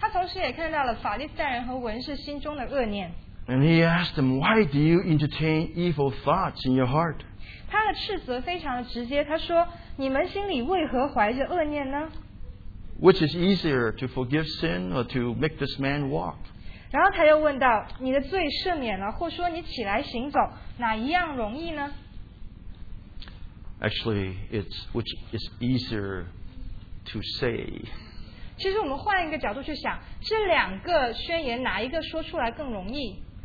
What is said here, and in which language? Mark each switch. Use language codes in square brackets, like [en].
[zh] 耶稣当时不仅仅是看到了摊子心里面想到的最大的需求，他同时也看到了法利赛人和文士心中的恶念。 [en] And he asked them, why do you entertain evil thoughts in your heart? [zh] 他的斥责非常的直接，他说，你们心里为何怀着恶念呢？ [en] Which is easier, to forgive sin or to make this man walk? [zh] 然后他又问道，你的罪赦免了，或说你起来行走，哪一样容易呢？ [en] Actually, it's which is easier to say. [zh] 其实我们换一个角度去想，这两个宣言哪一个说出来更容易？